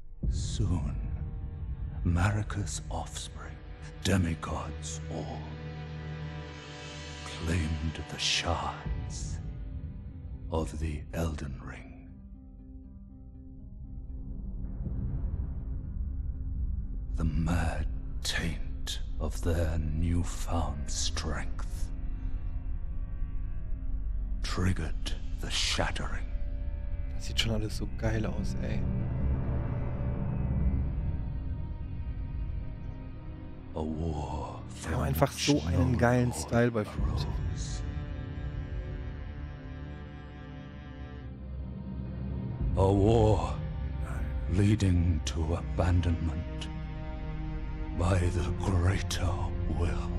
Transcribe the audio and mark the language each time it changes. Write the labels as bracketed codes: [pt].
[en] Soon, Marika's offspring, demigods all, claimed the shards of the Elden Ring. The mad taint of their newfound strength triggered the shattering. [de] Das sieht schon alles so geil aus, ey. [en] A war. [de] Wir haben einfach so einen geilen Style bei Frozen. [en] A war leading to abandonment by the greater will.